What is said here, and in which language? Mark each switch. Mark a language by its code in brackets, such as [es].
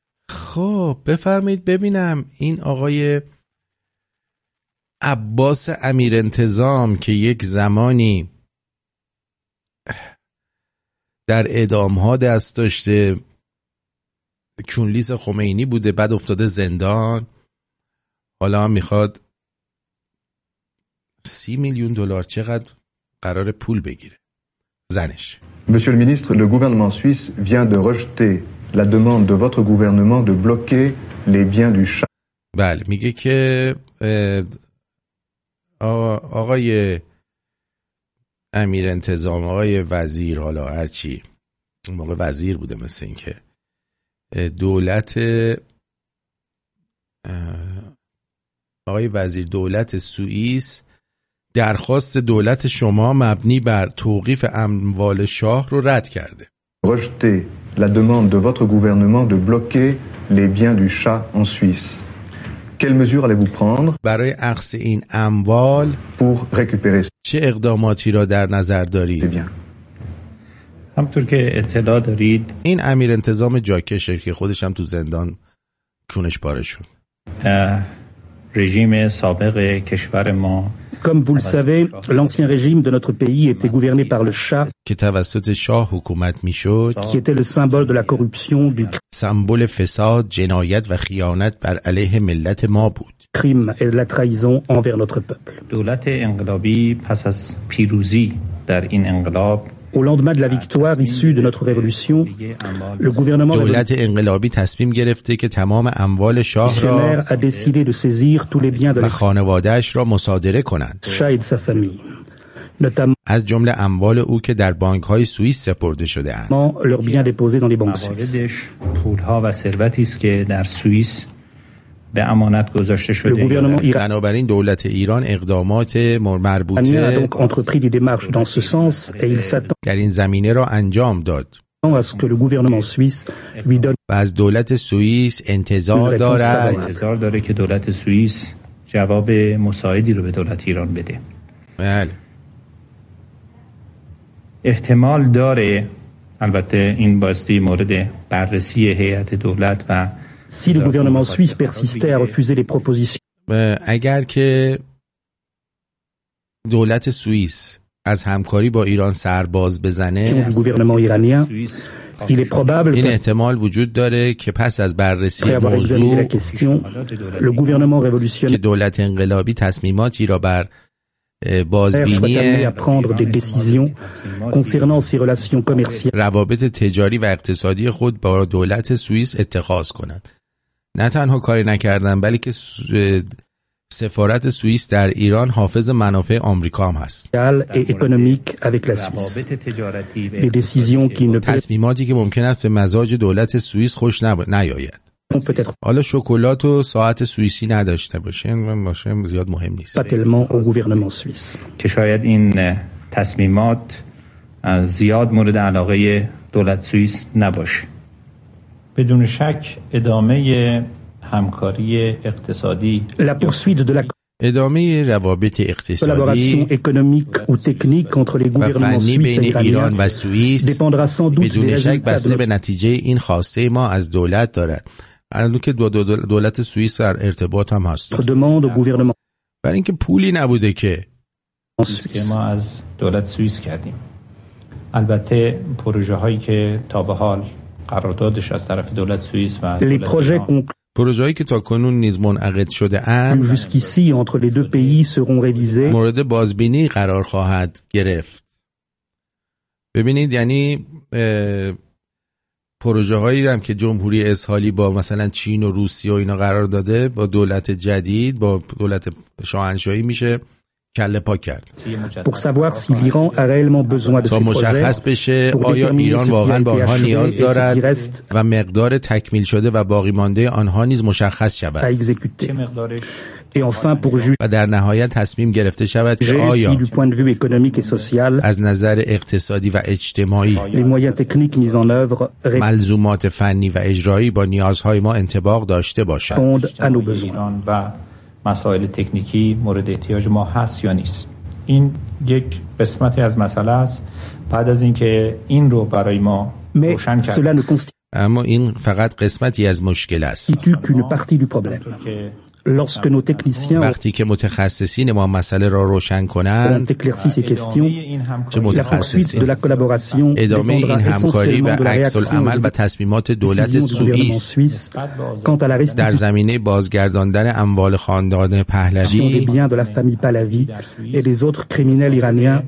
[fa] خب بفرمایید ببینم این آقای عباس امیر انتظام که یک زمانی در اعدام ها دست داشته، کونلیس خمینی بوده، بعد افتاده زندان، حالا هم میخواد 30 میلیون دلار چقدر قرار پول بگیره زنش. [fr] Monsieur le ministre, le gouvernement suisse vient de rejeter la demande de votre gouvernement de bloquer les biens du chat. [fa] بله میگه که آقای امیر انتظام، آقای وزیر، حالا هرچی اون موقع وزیر بوده، مثل این که دولت آقای وزیر، دولت سوئیس درخواست دولت شما مبنی بر توقیف اموال شاه رو رد کرده. [fr] رجته لا دموند دو واتر گوورنمنت دو بلوکه لی بیان دو شا ان سوئیس. Quelles mesures allez-vous prendre [fa] برای عقص این اموال [fr] pour récupérer [fa] چه اقداماتی را در نظر دارید؟ همطور که اطلاع دارید این امیر انتظام جاکش که خودش هم تو زندان کونش پاره شد. رژیم سابق کشور ما [fr] comme vous le savez l'ancien régime de notre pays était gouverné par le شاه [fa] که توسط شاه حکومت میشد [fr] qui était le symbole de la corruption du [fa] سمبل فساد جنایت و خیانت بر علیه ملت ما بود [fr] crime et la trahison envers notre peuple [fa] دولت انقلابی پس از پیروزی در این انقلاب [fr] au lendemain de la victoire issue de notre révolution le gouvernement [fa] دولت انقلابی تصمیم گرفته که تمام اموال شاه را [fr] a décidé de saisir tous les biens de la [fa] خانواده‌اش را مصادره کنند شاید [fr] sa famille notamment [fa] از جمله اموال او که در بانک‌های سوئیس سپرده شده اند [fr] leurs biens déposés dans les banques suisses [fa] پول‌ها و ثروتی است که در سوئیس به امانت گذاشته شده بنابراین دولت ایران اقدامات مربوطه در این زمینه را انجام داد و از دولت سوئیس انتظار دارد که دولت سوئیس جواب مساعدی را به دولت ایران بده بله احتمال داره البته این بایستی مورد بررسی هیئت دولت و [fr] Si le gouvernement suisse persistait à refuser les propositions, [fa] اگر که دولت سوئیس از همکاری با ایران سر باز بزنه، [fr] le gouvernement iranien, il est probable [fa] این احتمال وجود داره که پس از بررسی موضوع، [fr] le gouvernement révolutionnaire, [fa] که دولت انقلابی تصمیماتی را بر بازبینی روابط تجاری و اقتصادی خود با دولت سوئیس اتخاذ کند. نه تنها کاری نکردن بلکه سفارت سوئیس در ایران حافظ منافع آمریکا هم هست. تصمیماتی که ممکن است به مزاج دولت سوئیس خوش نیاید. حالا شکلات و ساعت سوئیسی نداشته باشین و ماشین زیاد مهم نیست. که شاید این تصمیمات زیاد مورد علاقه دولت سوئیس نباشه. بدون شک ادامه همکاری اقتصادی [fr] la poursuite de la [fa] ادامه روابط اقتصادی [fr] collaboration économique ou technique entre les gouvernements suisses et iranien dépendra sans doute [fa] بدون شک بسته به نتیجه این خواسته ما از دولت دارد الان که دولت سوئیس در ارتباط هم هست [fr] demande au gouvernement [fa] برای اینکه پولی نبوده که ما از دولت سوئیس کردیم البته پروژه هایی که تا به حال قراردادش از طرف دولت سوئیس و [fr] les projets [fa] پروژه‌ای که تا کنون نیز منعقد شده اند [fr] jusqu'ici entre les deux pays seront révisés [fa] مورد بازبینی قرار خواهد گرفت ببینید یعنی پروژه‌هایی هم که جمهوری اسلامی با مثلا چین و روسیه و اینا قرار داده با دولت جدید با دولت شاهنشاهی میشه کله پا کرد [fr] pour savoir si l'Iran a réellement besoin de ces projets [fa] مشخص بشه آیا ایران واقعا به آنها نیاز دارد و مقدار تکمیل شده و باقی مانده آنها نیز مشخص شود [fr] et enfin pour [fa] و در نهایت تصمیم گرفته شود که آیا [fr] du point de vue économique et social [fa] از نظر اقتصادی و اجتماعی [fr] les moyens techniques mis en œuvre [fa] ملزومات فنی و اجرایی با نیازهای ما انطباق داشته باشد مسائل تکنیکی مورد احتیاج ما هست یا نیست این یک قسمتی از مسئله است بعد از اینکه این رو برای ما روشن کرد اما این فقط قسمتی از مشکل است که [fr] lorsque nos techniciens [fa] وقتی که متخصصین ما مسئله را روشن کنند [fr] تکلیرسی سی کوستیون [fa] چه متخصصین [fr] de la collaboration [fa] ادامه این همکاری و عکس العمل و تصمیمات دولت سوئیس [fr] quant à la restitution [fa] در زمینه بازگرداندن اموال خاندان پهلوی [fr] bien de la famille Pahlavi et les autres criminels iraniens